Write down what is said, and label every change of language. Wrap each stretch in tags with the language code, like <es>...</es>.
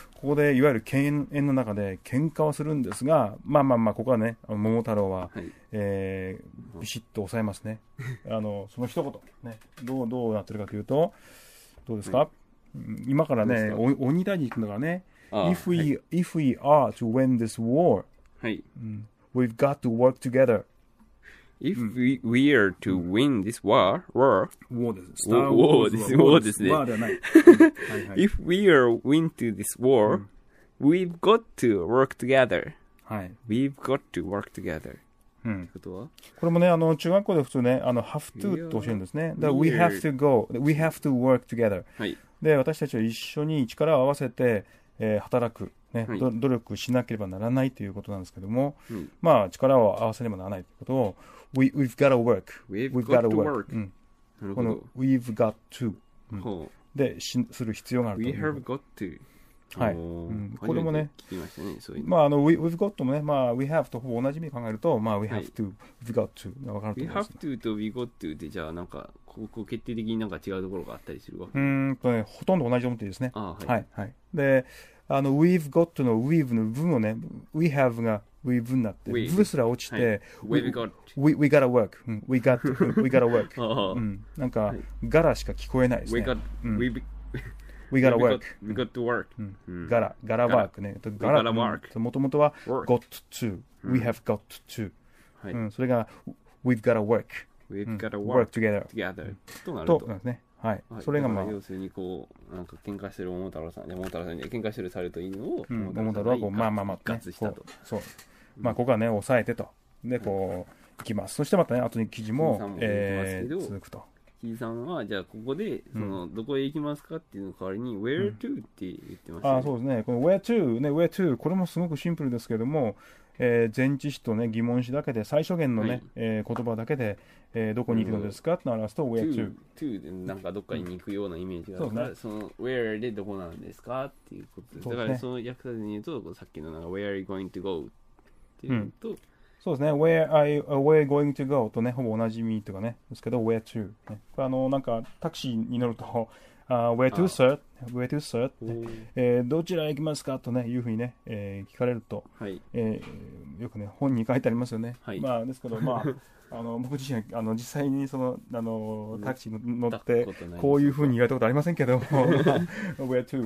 <ja>ここで、いわゆる犬猿の中で喧嘩をするんですが、まあまあまあ、ここはね、桃太郎は、はい、ビシッと抑えますね。その一言、ね、どうなってるかというと、どうですか、はい、今からね、鬼退治行くんだからね、</ja> <en>if we,、</en> <ja>はい、</ja> <en>if we are to win this war,、</en> <ja>はい、</ja> <en>we've got to work together. If we are to win this war, war</en> <ja>ですね。</ja> <en>If we are win to this war, we've got to work together.</en> <ja>はい。</ja> <en>We've got to work together.</en> <ja>ってことは？これもね、中学校で普通ね、have to って教えるんですね。だから</ja> <en>we have to go, we have to work together.</en> <ja>はい。で、私たちは一緒に力を合わせて、働く。ね、はい、努力しなければならないということなんですけども、うん、まあ力を合わせねばならないということを</ja> <en>we've got to work, we've got to work、うん、この we've got to、</en> <ja>うん、でする必要があると。</ja> <en>we have got to、</en> <ja>はい、うん、これもね、聞きましたね、そういうの。まあwe've got ともね、まあ we have とほぼ同じ意味考えると、まあ</ja> <en>we have to、はい、we've got to</en> <ja>が分かると思います。</ja> <en>we have to</en> <ja>と</ja> <en>we got to</en> <ja>で、じゃあなんかここ決定的になんか違うところがあったりするわけ。ね、ほとんど同じと思っていいですね。あ、はい、はいはい。で、we've got の we've の文をね、we have が we've になって、we've、文すら落ちて、はい、</ja> <en>we gotta work、we got we gotta work、</en> <ja>なんか、はい、ガラしか聞こえないですね。</ja> <en>we gotta work、 we got to work、</en> <ja>ガラワークね、ガラ work、もともとは</ja> <en>got to、 we have got to、</en> <ja>はい、</ja> <en>それが we've gotta work、 we've gotta work together</en> <ja>となるとね、はい、それがまあ要するにこうなんか喧嘩してる桃太郎さん、桃太郎さんに喧嘩してる猿と犬を、うん、桃太郎はこうまあまあまあ、ね、一括したと、こうそう、まあここはね抑えてとでこう行きます、うん、そしてまたね後に記事 も続くと。キジさんはじゃあここでそのどこへ行きますかっていうの代わりに Where to って言ってました、ね、うん、あ、そうですね、この</ja> <en>Where to</en> <ja>ね、 Where to、 これもすごくシンプルですけども、前置詞と、ね、疑問詞だけで最小限の、ね、はい、言葉だけで、どこに行くのですかって表すと、うん、Where to? To でなんかどっかに行くようなイメージがあるから、うん、その Where でどこなんですかっていうことです。だからその役立てに言うと、さっきのなんか</ja> <en>Where are you going to go?</en> <ja>っていうと、うん、</ja> <en>そうですね、 Where are you going to go?</en> <ja>とね、ほぼ同じ意味とかね、ですけど Where to?、ね、これなんかタクシーに乗ると</ja> <en>Where to sir? Where to sir?</en> <ja>ね、どちら行きますかとね、いうふうにね、聞かれると、はい、よくね、本に書いてありますよね、はい、まあ、ですけど、まあ、僕自身は実際にそのタクシーに乗って、こういうふうに言われたことありませんけど、</ja> <en>Where to?</en>